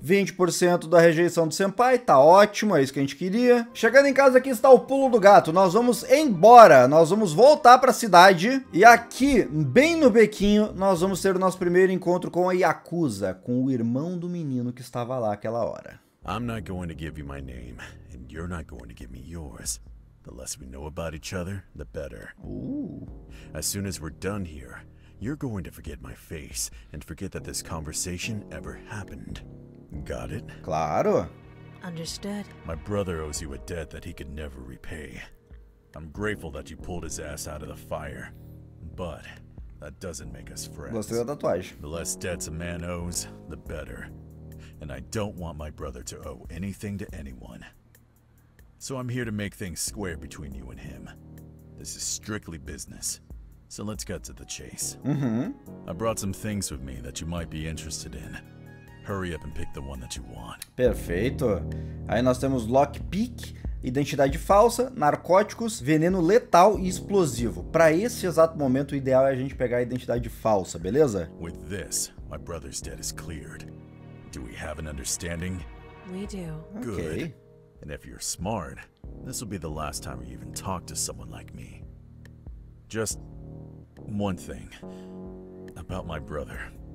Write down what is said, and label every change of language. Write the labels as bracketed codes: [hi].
[pt] 20% da rejeição do senpai, tá ótimo, é isso que a gente queria. Chegando em casa, aqui está o pulo do gato. Nós vamos embora, nós vamos voltar pra cidade e aqui, bem no bequinho, nós vamos ter o nosso primeiro encontro com a Yakuza, com o irmão do menino que estava lá aquela hora. [en] I'm not going to give you my name, and you're not going to give me yours. The less we know about each other, the better. Ooh. As soon as we're done here, you're going to forget my face and forget that this conversation ever happened. Got it? [pt] Claro. [en] Understood. My brother owes you a debt that he could never repay. I'm grateful that you pulled his ass out of the fire, but that doesn't make us friends. [pt] Gostei da tatuagem. [en] The less debts a man owes, the better. And I don't want my brother to owe anything to anyone. So I'm here to make things square between you and him. This is strictly business. So let's cut to the chase. I brought some things with me that you might be interested in. Hurry up and pick the one that you want. [pt] Perfeito. Aí nós temos lockpick, identidade falsa, narcóticos, veneno letal e explosivo. Para esse exato momento, o ideal é a gente pegar a identidade falsa, beleza? [en] With this, my brother's debt is cleared. Do we have an understanding? We do. Good. Okay. And if you're smart, this will be the last time you even talk to someone like me. Just one thing about my brother.